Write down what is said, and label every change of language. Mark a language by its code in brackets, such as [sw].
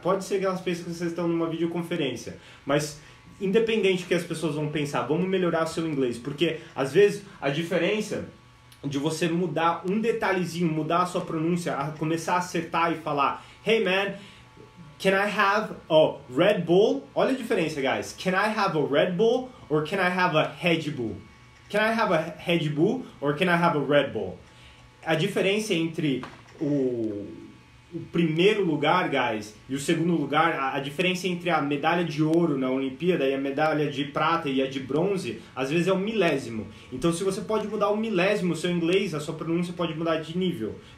[pt] Pode ser que elas pensem que vocês estão numa videoconferência. Mas, independente do que as pessoas vão pensar, vamos melhorar o seu inglês. Porque, às vezes, a diferença de você mudar um detalhezinho, mudar a sua pronúncia, começar a acertar e falar, hey man, can I have a Red Bull? Olha a diferença, guys. [en] Can I have a Red Bull or can I have a Red Bull? Can I have a Red Bull or can I have a Red Bull? [pt] A diferença entre o primeiro lugar, guys, e o segundo lugar, a diferença entre a medalha de ouro na Olimpíada e a medalha de prata e a de bronze, às vezes é um milésimo. Então, se você pode mudar um milésimo o seu inglês, a sua pronúncia pode mudar de nível.